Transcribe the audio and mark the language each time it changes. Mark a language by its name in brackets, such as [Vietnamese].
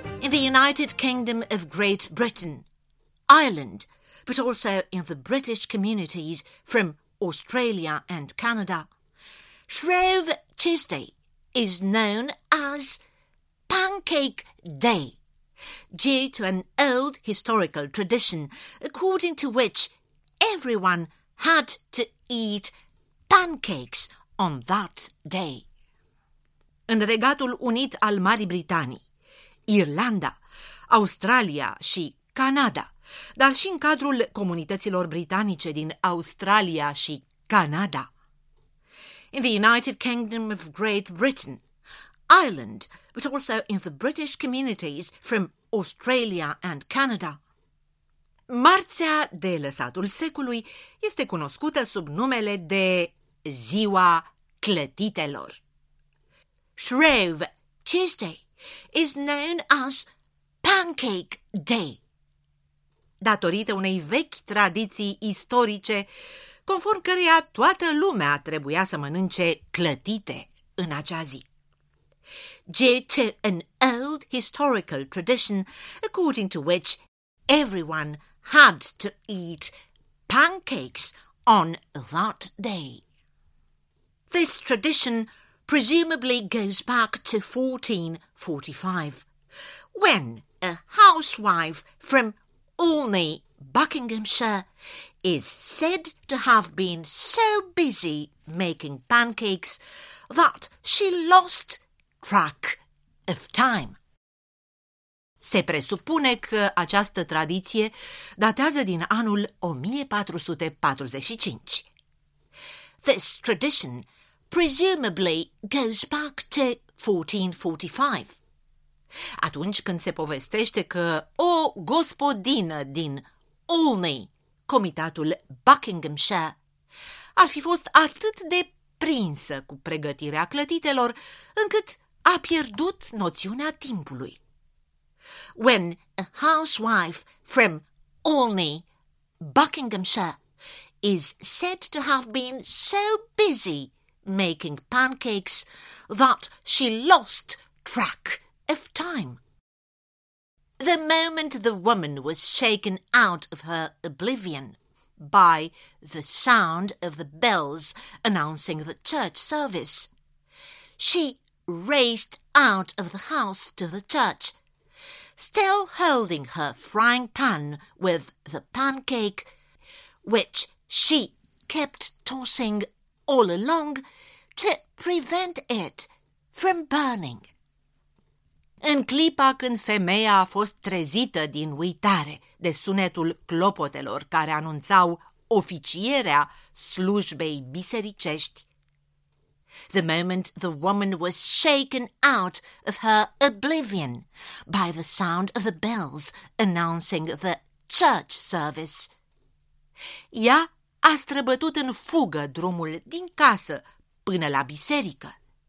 [English] United Kingdom of Great Britain, Ireland, but also in the British communities from Australia and Canada, Shrove Tuesday is known as Pancake Day, due to an old historical tradition according to which everyone had to eat pancakes on that day. [Romanian] În Regatul Unit al Marii Britanii, Irlanda, Australia și Canada, dar și în cadrul comunităților britanice din Australia și Canada. [English] In the United Kingdom of Great Britain, Ireland, but also in the British communities from Australia and Canada. [Romanian] Marțea de lăsatul secolului este cunoscută sub numele de Ziua Clătitelor. [English] Shrove Tuesday is known as Pancake Day. [Romanian] Datorită unei vechi tradiții istorice, conform căreia toată lumea trebuia să mănânce clătite în acea zi. [English] Due to an old historical tradition, according to which everyone had to eat pancakes on that day. This tradition presumably goes back to 1445, when a housewife from Olney, Buckinghamshire, is said to have been so busy making pancakes that she lost track of time. [Romanian] Se presupune că această tradiție datează din anul 1445. [English] This tradition presumably goes back to 1445. [Romanian] Atunci când se povestește că o gospodină din Olney, comitatul Buckinghamshire, ar fi fost atât de prinsă cu pregătirea clătitelor, încât a pierdut noțiunea timpului. [English] When a housewife from Olney, Buckinghamshire, is said to have been so busy making pancakes that she lost track of time. The moment the woman was shaken out of her oblivion by the sound of the bells announcing the church service, she raced out of the house to the church, still holding her frying pan with the pancake, which she kept tossing all along to prevent it from burning. [Romanian] În clipa când femeia a fost trezită din uitare de sunetul clopotelor care anunțau oficierea slujbei bisericești, [English] the moment the woman was shaken out of her oblivion by the sound of the bells announcing the church service, [Romanian] ea a străbătut în fugă drumul din casă până la biserică.